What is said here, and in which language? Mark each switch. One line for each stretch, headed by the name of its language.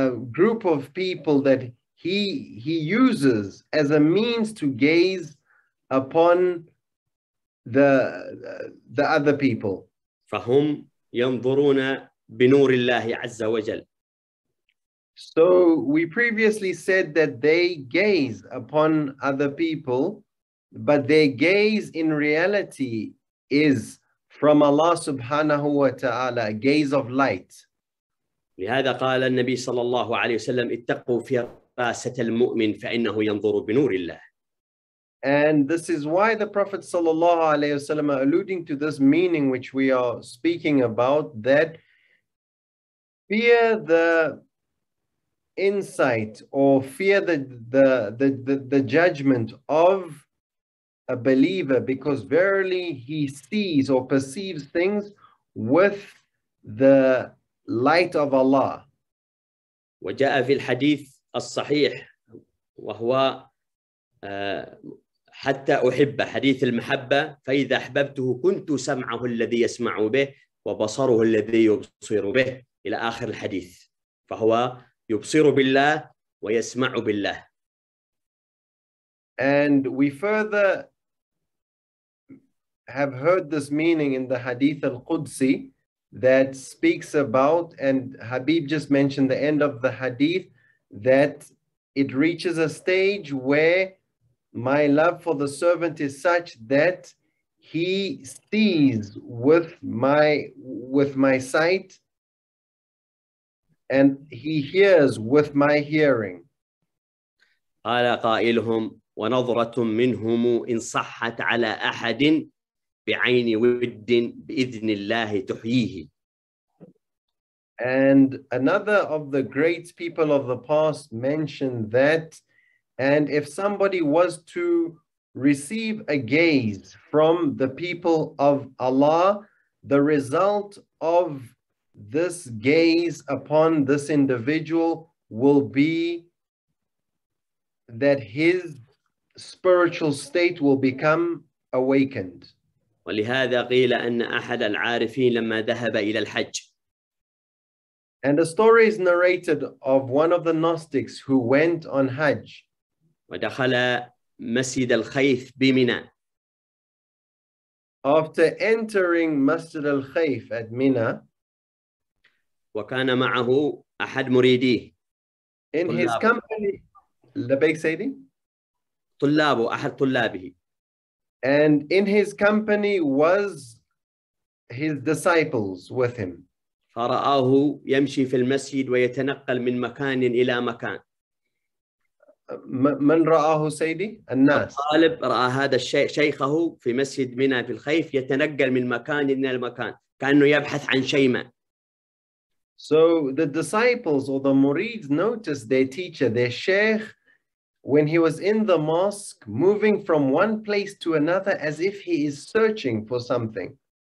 English: group of people that he uses as a means to gaze upon the other people.
Arabic: فهم ينظرون بنور الله عز وجل.
English: So we previously said that they gaze upon other people, but their gaze in reality is from Allah subhanahu wa ta'ala, a gaze of light.
Arabic: لهذا قال النبي صلى الله عليه وسلم اتقوا فراسة المؤمن فإنه ينظر بنور الله.
English: And this is why the Prophet sallallahu alaihi wasallam alluding to this meaning which we are speaking about, that fear the insight or fear the judgment of a believer, because verily he sees or perceives things with the light of Allah.
Arabic: وجاء في الحديث الصحيح وهو حتى أحب حديث المحبة فإذا أحببته كنت سمعه الذي يسمع به وبصره الذي يبصر به إلى آخر الحديث فهو يبصر بالله ويسمع بالله.
English: And we further have heard this meaning in the hadith al-Qudsi that speaks about, and Habib just mentioned the end of the hadith, that it reaches a stage where my love for the servant is such that he sees with my sight and he hears with my hearing.
Arabic: قال قائلهم ونظرة منهم إن صحت على أحد بعين ود بإذن الله تحييه.
English: And another of the great people of the past mentioned that, and if somebody was to receive a gaze from the people of Allah, the result of this gaze upon this individual will be that his spiritual state will become awakened.
Arabic: ولهذا قيل أن أحد العارفين لما ذهب إلى الحج.
English: And a story is narrated of one of the Gnostics who went on Hajj.
Arabic: ودخل مسجد الخيف بمنى.
English: After entering Masjid al-Khayf at Mina,
Arabic: وكان معه أحد مريديه. In طلابه.
English: His company,
Arabic: لبيك سيدي. طلابه أحد طلابه.
English: And in his company was his disciples with him.
Arabic: فرآه يمشي في المسجد ويتنقل من مكان إلى مكان. من رآه سيدي؟ الناس. الطالب رأى هذا شيخه في مسجد منى في الخيف يتنقل من مكان إلى مكان، كأنه يبحث عن شيء ما.
English: So the disciples or the murids noticed their teacher, their sheikh, when he was in the mosque, moving from one place to another as if he is searching for something.